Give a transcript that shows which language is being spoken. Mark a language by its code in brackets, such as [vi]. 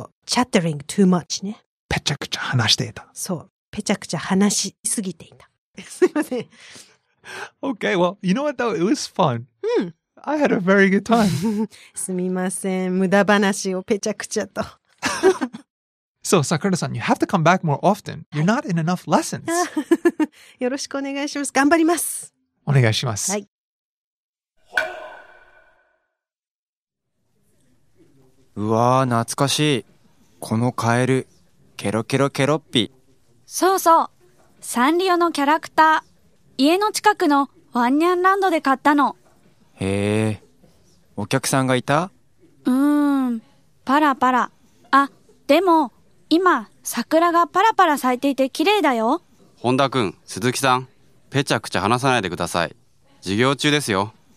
[en] So, chattering too much ね. [ja] ぺちゃくちゃ話していた. So, ぺちゃくちゃ話しすぎていた. [en] Okay, well, you know what though? It was fun. Mm. I had a very good time. [ja] すみません、無駄話をぺちゃくちゃと。 [en] So, Sakura-san, you have to come back more often. You're not in enough lessons. [ja] よろしくお願いします。頑張ります。お願いします。うわー、懐かしい。このカエル、ケロケロケロッピ。そうそう、サンリオのキャラクター、家の近くの ワンニャンランドで買ったの。へえ、お客さんがいた？うーん、パラパラ。あ、でも今桜がパラパラ咲いていて綺麗だよ。本田君、鈴木さん、ぺちゃくちゃ話さないでください。授業中ですよ。